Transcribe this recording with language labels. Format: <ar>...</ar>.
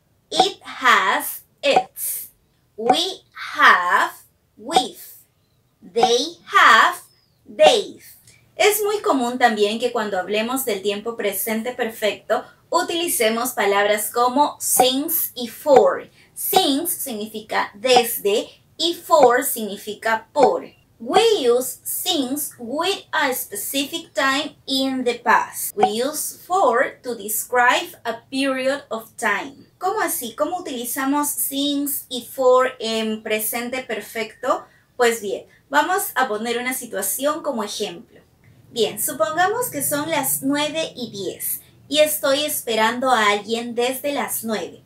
<en>It has it's. We have we've. They have they've.</en> <es>Es muy común también que cuando hablemos del tiempo presente perfecto, utilicemos palabras como since y for. Since significa desde y for significa por.</es> <en>We use since with a specific time in the past. We use for to describe a period of time.</en> <es>¿Cómo así? ¿Cómo utilizamos since y for en presente perfecto? Pues bien, vamos a poner una situación como ejemplo. Bien, supongamos que son las 9 y 10 y estoy esperando a alguien desde las 9.</es>